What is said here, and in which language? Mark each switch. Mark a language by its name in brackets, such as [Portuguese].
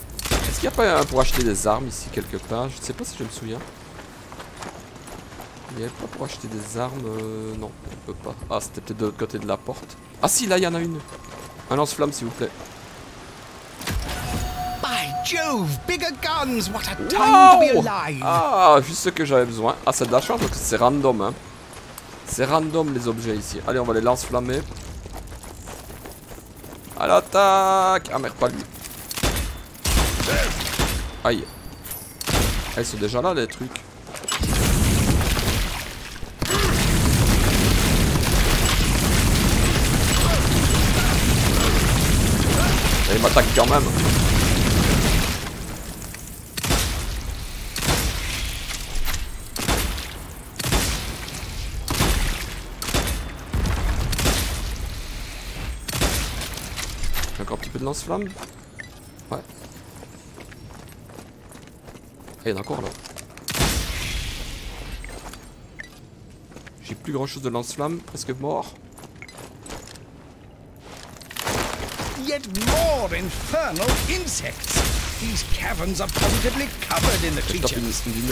[French] Est-ce qu'il n'y a pas un pour acheter des armes ici quelque part? Je ne sais pas si je me souviens. Il n'y avait pas pour acheter des armes, non, on peut pas. Ah, c'était peut-être de l'autre côté de la porte. Ah si, là, il y en a une. Un lance-flamme, s'il vous plaît. [English] By Jove, bigger guns, what a time to be alive. [French] Ah, juste ce que j'avais besoin. Ah, c'est de la chance, parce que c'est random, hein. C'est random, les objets ici. Allez, on va les lance-flammer. À l'attaque. Ah, merde, pas lui. Aïe. Elles sont déjà là, les trucs. Il m'attaque quand même. J'ai encore un petit peu de lance-flamme. Ouais. Ah, il y en a encore là. J'ai plus grand chose de lance-flamme, presque mort. [English] Yet more infernal insects. These caverns are positively covered in the creatures.